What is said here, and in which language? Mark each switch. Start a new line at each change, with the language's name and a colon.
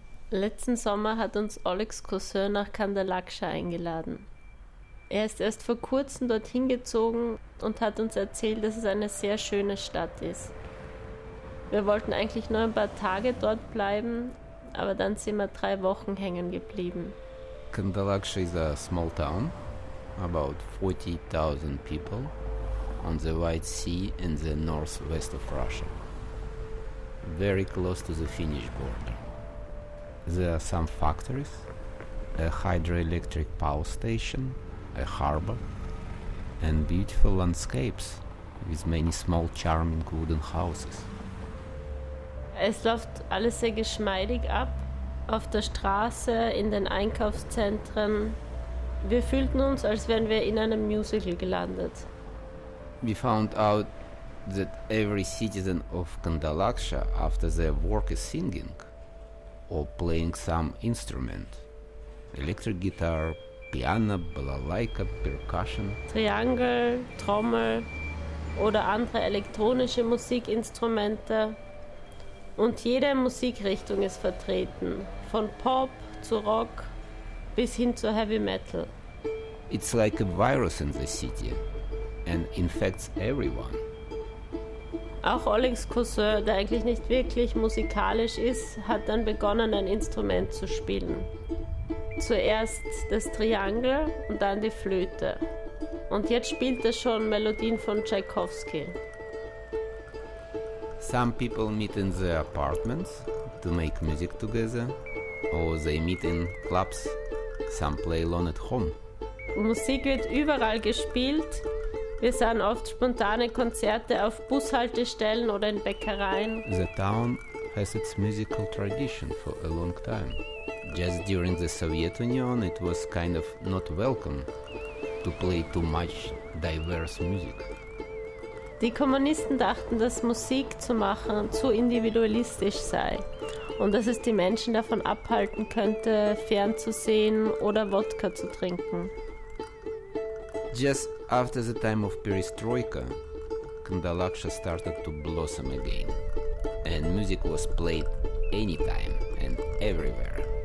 German: Letzten Sommer hat uns Alex Cousin nach Kandalaksha eingeladen. Er ist erst vor kurzem dorthin gezogen und hat uns erzählt, dass es eine sehr schöne Stadt ist. Wir wollten eigentlich nur ein paar Tage dort bleiben, aber dann sind wir 3 Wochen hängen geblieben.
English: Kandalaksha is a small town, about 40,000 people, on the White Sea in the northwest of Russia, very close to the Finnish border. There are some factories, a hydroelectric power station, a harbor, and beautiful landscapes with many small charming wooden houses.
German: Es läuft alles sehr geschmeidig ab. Auf der Straße, in den Einkaufszentren. Wir fühlten uns, als wären wir in einem Musical gelandet.
English: We found out that every citizen of Kandalaksha after their work is singing or playing some instrument. Electric guitar, piano, balalaika, percussion.
German: Triangel, Trommel oder andere elektronische Musikinstrumente. Und jede Musikrichtung ist vertreten. Von Pop zu Rock bis hin zu Heavy Metal.
English: It's like a virus in the city and infects everyone.
German: Auch Alex Cousin, der eigentlich nicht wirklich musikalisch ist, hat dann begonnen, ein Instrument zu spielen. Zuerst das Triangel und dann die Flöte. Und jetzt spielt er schon Melodien von Tchaikovsky.
English: Some people meet in their apartments to make music together. Or they meet in clubs, some play alone at home.
German: Musik wird überall gespielt. Wir sahen oft spontane Konzerte auf Bushaltestellen oder in Bäckereien.
English: The town has its musical tradition for a long time. Just during the Soviet Union, it was kind of not welcome to play too much diverse music.
German: Die Kommunisten dachten, dass Musik zu machen zu individualistisch sei. Und dass es die Menschen davon abhalten könnte, fernzusehen oder Wodka zu trinken.
English: Just after the time of Perestroika, Kandalaksha started to blossom again. And music was played anytime and everywhere.